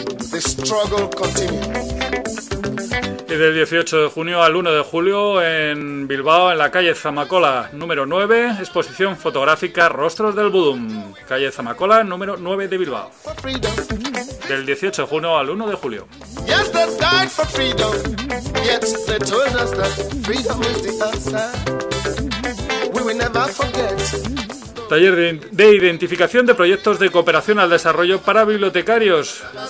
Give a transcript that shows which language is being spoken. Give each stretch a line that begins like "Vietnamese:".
English: The struggle continues.
Spanish: Y del 18 de junio al 1 de julio en Bilbao, en la calle Zamacola número 9, exposición fotográfica Rostros del Budum. Calle Zamacola número 9 de Bilbao. Del 18 de junio al 1 de julio.
English: Yes, they died for freedom. Yet they told us that freedom is the answer. We will never forget.
Spanish: Taller de identificación de proyectos de cooperación al desarrollo para bibliotecarios.